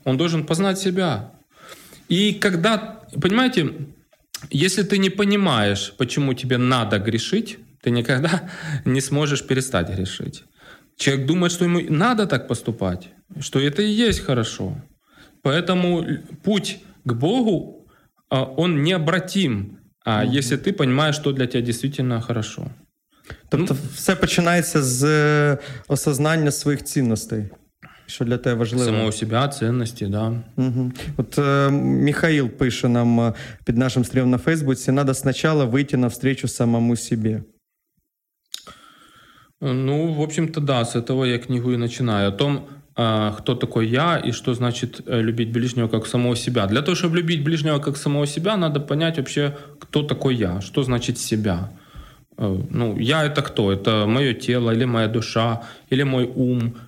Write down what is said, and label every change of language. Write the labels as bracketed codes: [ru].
[ru] Он должен познать себя. И когда, понимаете, если ты не понимаешь, почему тебе надо грешить, ты никогда не сможешь перестать грешить. Человек думает, что ему надо так поступать, что это и есть хорошо. Поэтому путь к Богу, он необратим, если ты понимаешь, что для тебя действительно хорошо. [uk] Тобто все починається з осознання своїх цінностей, що для тебе важливо. Самого себе, цінності, так. Да. Угу. От Михаїл пише нам під нашим стрімом на Фейсбуці, «Надо спочатку вийти навстречу самому себе». [ru] Ну, в общем-то, да, с этого я книгу и начинаю. О том, кто такой я и что значит любить ближнего как самого себя. Для того, чтобы любить ближнего как самого себя, надо понять вообще, кто такой я, что значит себя. Ну, я — это кто? Это мое тело или моя душа, или мой ум.